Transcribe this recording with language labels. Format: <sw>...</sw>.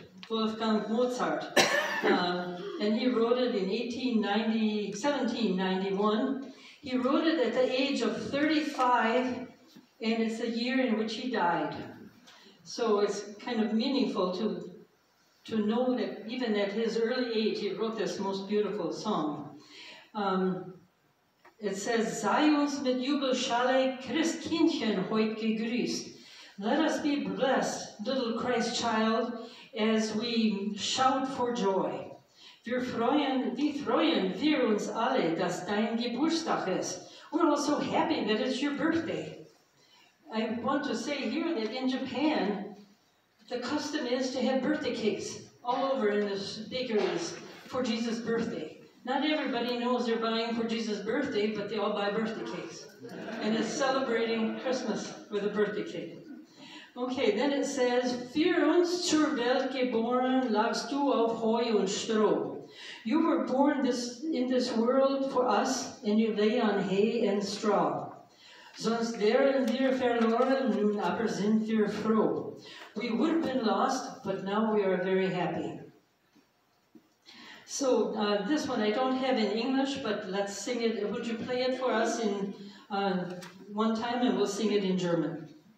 <en>Mozart, and he wrote it in 1791. He wrote it at the age of 35, and it's the year in which he died. So it's kind of meaningful to know that even at his early age, he wrote this most beautiful song. It says,</en> <de>Seiens mit Jubelschalle Christkindchen heut gegrüßt.</de> <en>Let us be blessed, little Christ child, as we shout for joy.</en> <de>Wie freuen wir uns alle, dass dein Geburtstag ist.</de> <en>We're all so happy that it's your birthday. I want to say here that in Japan, the custom is to have birthday cakes all over in the bakeries for Jesus' birthday. Not everybody knows they're buying for Jesus' birthday, but they all buy birthday cakes. And it's celebrating Christmas with a birthday cake. Okay, then it says,</en> <de>Für uns zur Welt geboren lagst du auf Heu und Stroh.</de> <en>You were born in this world for us, and you lay on hay and straw.</en> <de>Sonst wären wir verloren, nun aber sind wir froh.</de> <en>We would have been lost, but now we are very happy. So, this one I don't have in English, but let's sing it. Would you play it for us in one time, and we'll sing it in German.</en>